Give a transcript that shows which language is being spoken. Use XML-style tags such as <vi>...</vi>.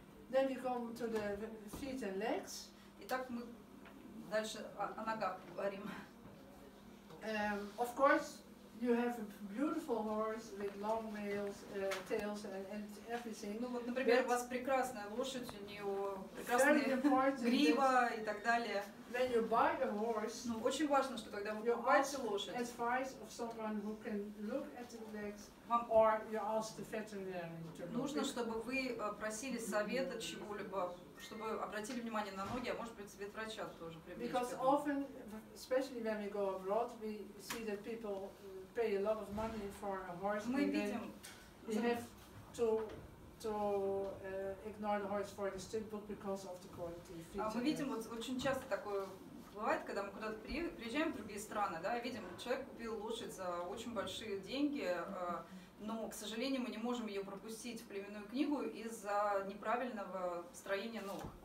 <en>Then we come to the feet and legs.</en> <ru>Итак, мы дальше о ногах говорим.</ru> <en>Of course, you have a beautiful horse with long nails, tails and everything.</en> <ru>Ну вот, например, у вас прекрасная лошадь, у нее прекрасная грива и так далее.</ru> <en>When you buy a horse,</en> <ru>ну очень важно, что когда вы покупаете лошадь,</ru> <en>advice of someone who can look at the legs. Вам or you ask the veterinarian to look.</en> <ru>Нужно, чтобы вы просили совета чего-либо, чтобы обратили внимание на ноги, а может быть, совет врача тоже привлечь.</ru> <en>Because often, especially when we go abroad, we see that people pay a lot of money for a horse.</en> <ru>Мы видим,</ru> <en>they have to ignore the horse for the stud because of the quality.</en> <ru>Мы видим вот очень часто такое. Бывает, когда мы куда-то приезжаем в другие страны, да, видим, человек купил лошадь за очень большие деньги, но, к сожалению, мы не можем ее пропустить в племенную книгу из-за неправильного строения ног.</ru>